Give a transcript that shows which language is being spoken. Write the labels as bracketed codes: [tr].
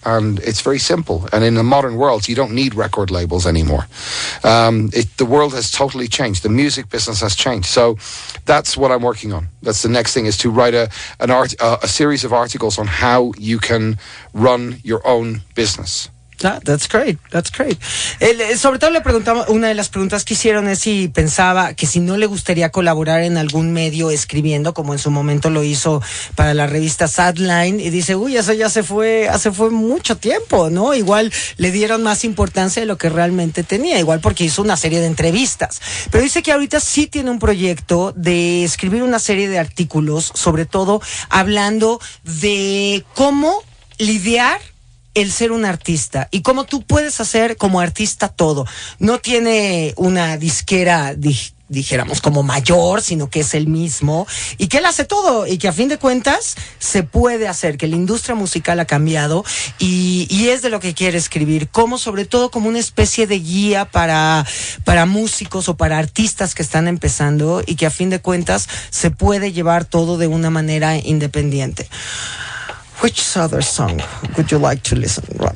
[en] And it's very simple. And in the modern world, you don't need record labels anymore. The world has totally changed. The music business has changed. So that's what I'm working on. That's the next thing, is to write a series of articles on how you can run your own business. That's great. [es] Sobre todo le preguntamos, una de las preguntas que hicieron es si pensaba que si no le gustaría colaborar en algún medio escribiendo, como en su momento lo hizo para la revista Sadline, y dice, uy, eso ya se fue hace fue mucho tiempo, ¿no? Igual le dieron más importancia de lo que realmente tenía, igual porque hizo una serie de entrevistas. Pero dice que ahorita sí tiene un proyecto de escribir una serie de artículos, sobre todo hablando de cómo lidiar el ser un artista y cómo tú puedes hacer como artista todo. No tiene una disquera, dijéramos, como mayor, sino que es el mismo y que él hace todo y que a fin de cuentas se puede hacer, que la industria musical ha cambiado y es de lo que quiere escribir, como sobre todo como una especie de guía para músicos o para artistas que están empezando y que a fin de cuentas se puede llevar todo de una manera independiente. [en] Which other song would you like to listen to?